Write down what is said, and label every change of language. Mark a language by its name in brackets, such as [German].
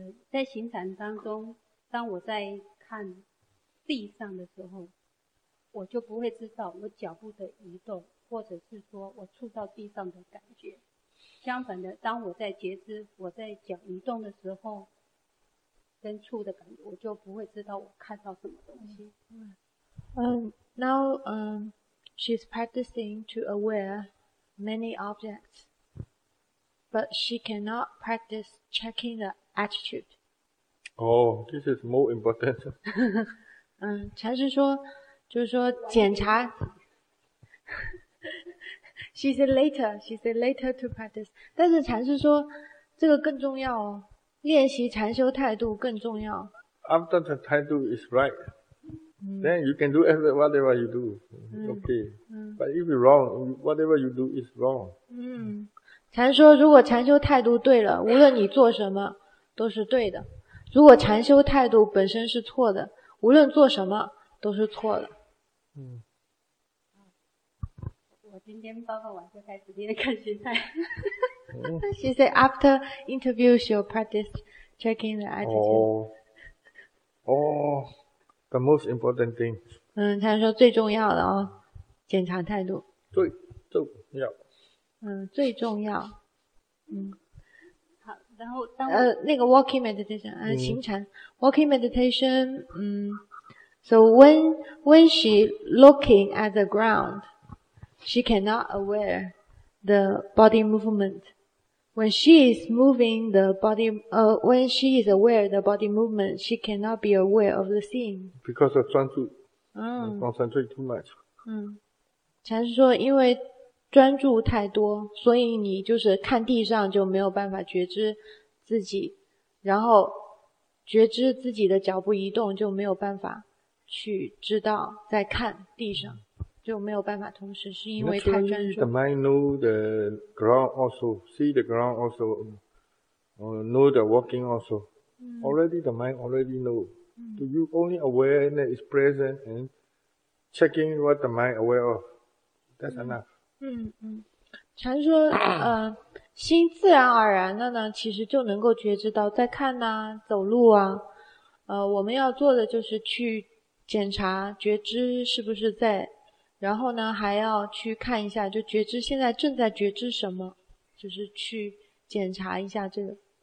[Chinese] 在行禅当中，当我在看地上的时候，我就不会知道我脚步的移动，或者是说我触到地上的感觉。相反的，当我在觉知我在脚移动的时候跟触的感觉，我就不会知道我看到什么东西。 [English] Now, she's practicing to aware many objects, but she cannot practice checking the attitude. Oh, this is more important. [Chinese] 禅师说，就是说检查。 [English] she said later to practice. [Chinese] 但是禅师说，这个更重要哦，练习禅修态度更重要。 [English] After the 态度 is right. Then you can do whatever you do, okay. But if you're wrong, whatever you do is wrong. [Chinese] 禅说如果禅修态度对了，无论你做什么都是对的。如果禅修态度本身是错的，无论做什么都是错的。我今天报告完就开始练看心态。 [English] She said after interview she'll practice checking the attitude. The most important thing. [Chinese] 他说最重要的哦，检查态度。最重要。最重要。好，然后当那个 [English] walking meditation， 行禅 walking meditation， So when she looking at the ground, she cannot aware the body movement. When she is moving the body, when she is aware of the body movement, she cannot be aware of the scene. Because of 专注。Concentrate too much. [Chinese] 禅师说因为专注太多，所以你就是看地上就没有办法觉知自己，然后觉知自己的脚步移动就没有办法去知道在看地上，就没有办法同时，是因为太专注。 [English] The mind know the ground also, see the ground also, know the walking also. Already the mind already know. Do you only aware that is present and checking what the mind aware of? That's enough. [Chinese] 禅说，心自然而然的呢，其实就能够觉知到在看呐、走路啊，我们要做的就是去检查觉知是不是在。然后呢还要去看一下，就觉知现在正在觉知什么，就是去检查一下这个。